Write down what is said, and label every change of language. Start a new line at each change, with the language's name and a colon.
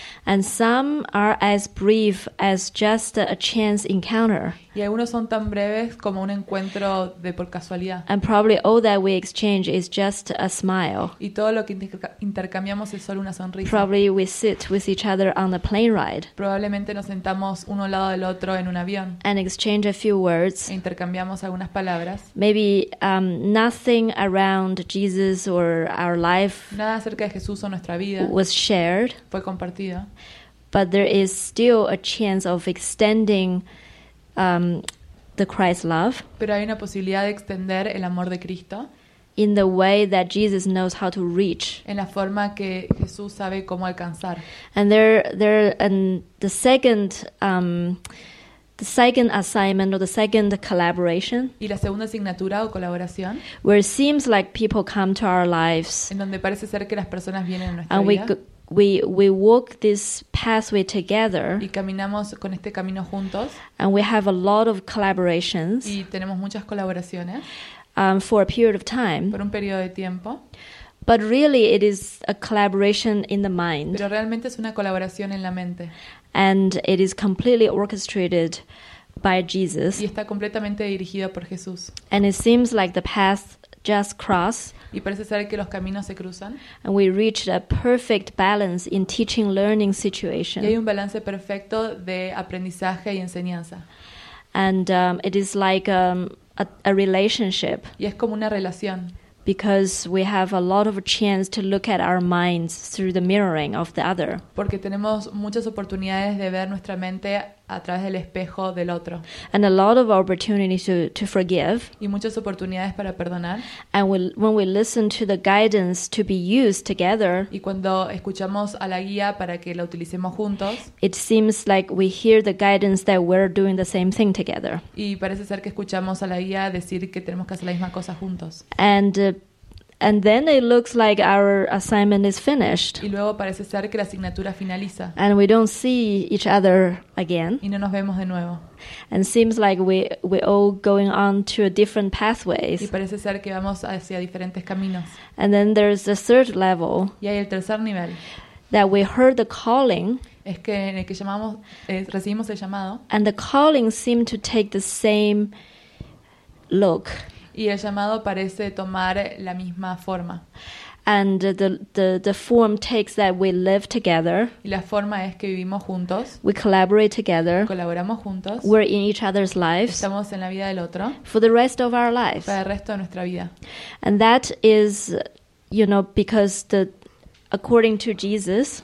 English: And some are as brief as just a chance encounter.
Spanish: Y algunos son tan breves como un encuentro de por casualidad.
English: And probably all that we exchange is just a smile.
Spanish: Y todo lo que intercambiamos es solo una sonrisa.
English: Probably we sit with each other on a plane ride.
Spanish: Probablemente nos sentamos uno al lado del otro en un avión.
English: And exchange a few words.
Spanish: E intercambiamos algunas palabras.
English: Maybe nothing around Jesus or our life.
Spanish: Nada acerca de Jesús o nuestra vida.
English: Was shared.
Spanish: Fue compartido.
English: But there is still a chance of extending the Christ's love.
Spanish: Pero hay una posibilidad de extender el amor de Cristo.
English: In the way that Jesus knows how to reach.
Spanish: En la forma que Jesús sabe cómo alcanzar.
English: And the second assignment or the second collaboration.
Spanish: Y la segunda asignatura o colaboración.
English: Where it seems like people come to our lives.
Spanish: En donde parece ser que las personas vienen a nuestra
English: and
Spanish: vida.
English: We walk this pathway together.
Spanish: Y caminamos con este camino juntos.
English: And we have a lot of collaborations.
Spanish: Y tenemos muchas colaboraciones.
English: For a period of time.
Spanish: Por un periodo de tiempo.
English: But really it is a collaboration in the mind.
Spanish: Pero realmente es una colaboración en la mente.
English: And it is completely orchestrated by Jesus.
Spanish: Y está completamente dirigido por Jesús.
English: And it seems like the path just cross.
Spanish: Y parece ser que los caminos se cruzan.
English: And we reach a perfect balance in teaching learning situation.
Spanish: Y hay un balance perfecto de aprendizaje y enseñanza.
English: And it is like a relationship.
Spanish: Y es como una relación.
English: Because we have a lot of chance to look at our minds through the mirroring of the other.
Spanish: Porque tenemos muchas oportunidades de ver nuestra mente a través del espejo del otro.
English: And a lot of opportunities to forgive.
Spanish: Y muchas oportunidades para perdonar.
English: And when we listen to the guidance to be used together.
Spanish: Y cuando escuchamos a la guía para que la utilicemos juntos.
English: It seems like we hear the guidance that we're doing the same thing together.
Spanish: Y parece ser que escuchamos a la guía decir que tenemos que hacer la misma cosa juntos.
English: And then it looks like our assignment is finished.
Spanish: Y luego parece ser que la asignatura finaliza.
English: And we don't see each other again.
Spanish: Y no nos vemos de nuevo.
English: And seems like we're all going on to a different pathways.
Spanish: Y parece ser que vamos hacia diferentes caminos.
English: And then there's the third level.
Spanish: Y hay el tercer nivel.
English: That we heard the calling.
Spanish: Es que en el que llamamos, recibimos el llamado.
English: And the calling seemed to take the same look.
Spanish: Y el llamado parece tomar la misma forma.
English: And the form takes that we live together.
Spanish: Y la forma es que vivimos juntos.
English: We collaborate together.
Spanish: Colaboramos juntos.
English: We're in each other's lives.
Spanish: Estamos en la vida del otro.
English: For the rest of our lives.
Spanish: Para el resto de nuestra vida.
English: And that is, you know, because according to Jesus.